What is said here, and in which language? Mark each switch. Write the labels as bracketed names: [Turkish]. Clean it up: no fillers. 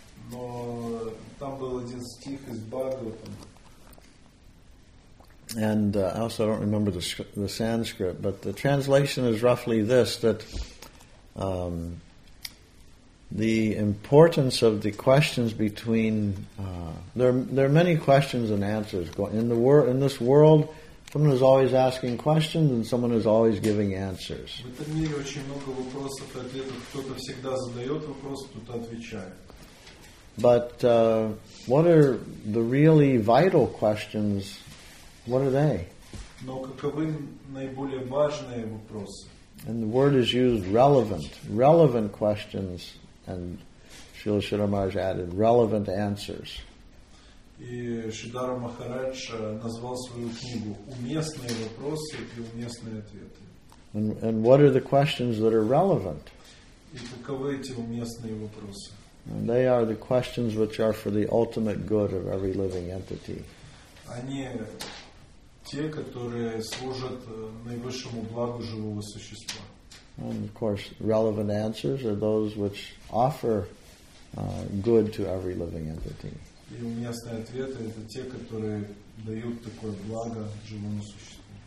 [Russian] Но там был один стих из Бхагаватам. [English] And I also don't remember the Sanskrit, but the translation is roughly this, that the importance of the questions between there are many questions and answers in the world. In this world, someone is always asking questions and someone is always giving answers. [Russian] В этом мире очень много вопросов и ответов. Кто-то всегда задает вопрос, кто-то отвечает. [English] But what are the really vital questions? What are they? [Russian] Но каковы наиболее важные вопросы? [English] And the word is used relevant questions. And Srila Sridhara Maharaj added relevant answers. [Russian] И Шридхара Махарадж назвал свою книгу «Уместные вопросы и уместные ответы». [English] And what are the questions that are relevant? [Russian] И каковы эти уместные вопросы? [English] And they are the questions which are for the ultimate good of every living entity. [Russian] Они те, которые служат наивысшему благу живого существа. [English] And of course, relevant answers are those which offer good to every living entity. [Russian] И уместные ответы – это те, которые дают такое благо живому существу.